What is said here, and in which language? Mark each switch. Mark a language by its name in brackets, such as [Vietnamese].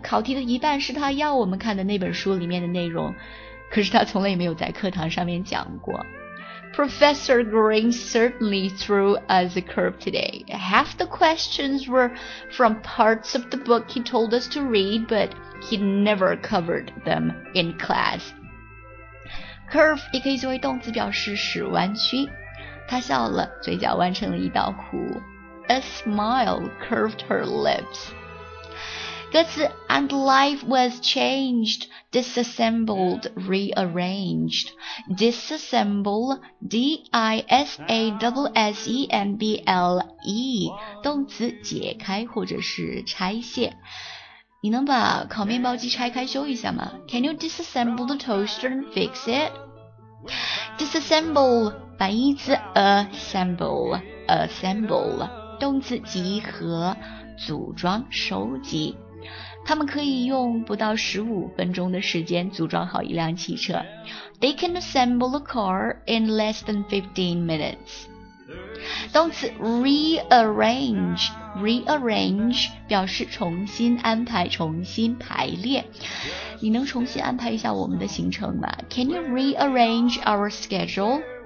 [Chinese] 考题的一半是他要我们看的那本书里面的内容，可是他从来也没有在课堂上面讲过。 [English] Professor Green certainly threw us a curve today. Half the questions were from parts of the book he told us to read, but he never covered them in class. [Chinese] Curve 也可以作为动词表示使弯曲。他笑了，嘴角弯成了一道弧。 [English] A smile curved her lips. 歌词 And life was changed, disassembled, rearranged. Disassemble, D-I-S-A-S-S-E-M-B-L-E. [Chinese] 动词解开或者是拆卸。你能把烤面包机拆开修一下吗 ? [English] Can you disassemble the toaster and fix it? Disassemble, 反义词 assemble, assemble. [Chinese] 动词集合组装收集。他们可以用不到15分钟的时间组装好一辆汽车。 [English] They can assemble a car in less than 15 minutes. [Chinese] 动词 rearrange, rearrange 表示重新安排、重新排列。你能重新安排一下我们的行程吗 ？ [English] Can you rearrange our schedule?